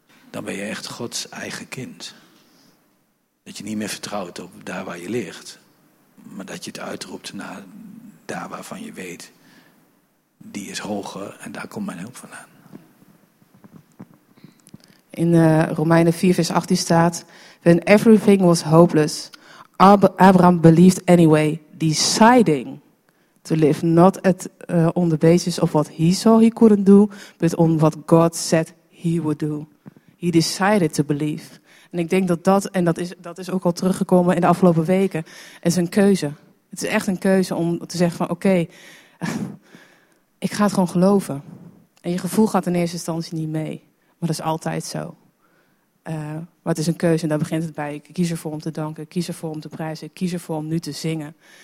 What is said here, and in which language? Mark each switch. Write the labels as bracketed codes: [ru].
[nl] Dan ben je echt Gods eigen kind. Dat je niet meer vertrouwt op daar waar je ligt. Maar dat je het uitroept naar daar waarvan je weet, die is hoger en daar komt mijn hulp vandaan. In Romeinen 4 vers 18 staat, [en] when everything was hopeless, Abraham believed anyway, deciding to live not on the basis of what he saw he couldn't do, but on what God said he would do. He decided to believe. [nl] En ik denk dat is ook al teruggekomen in de afgelopen weken. Het is een keuze. Het is echt een keuze om te zeggen van oké, okay, ik ga het gewoon geloven. En je gevoel gaat in eerste instantie niet mee. Maar dat is altijd zo. Maar het is een keuze en daar begint het bij. Ik kies ervoor om te danken, ik kies ervoor om te prijzen, ik kies ervoor om nu te zingen.